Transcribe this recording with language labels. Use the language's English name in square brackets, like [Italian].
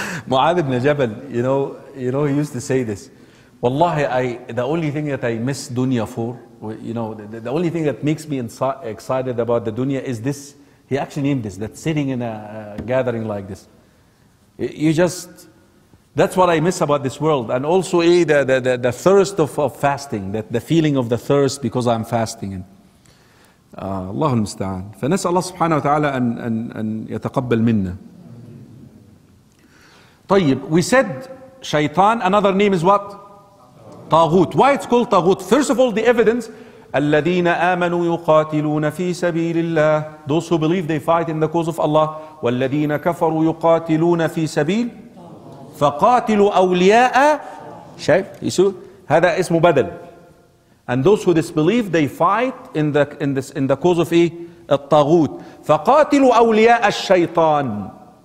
[English] Mu'adh ibn Jabal, you know, he used to say this. Wallahi, the only thing that I miss dunya for, you know, the only thing that makes me excited about the dunya is this. He actually named this, that sitting in a gathering like this. That's what I miss about this world. And also the thirst of fasting, that the feeling of the thirst because I'm fasting. [Arabic] Allahu musta'an. فنسأل الله سبحانه وتعالى أن يتقبل منا. [English] طيب, we said shaitan, another name is what? Taghut. Why it's called taghut? First of all, the evidence. [Arabic] الذين آمنوا يقاتلون في سبيل الله. [English] Those who believe, they fight in the cause of Allah. [Arabic] والذين كفروا يقاتلون في سبيل فقاتلوا أولياء. شايف؟ هذا اسمه بدل. [English] And those who disbelieve, they fight in the cause of الطاغوت. [Arabic] فقاتلوا أولياء الشيطان.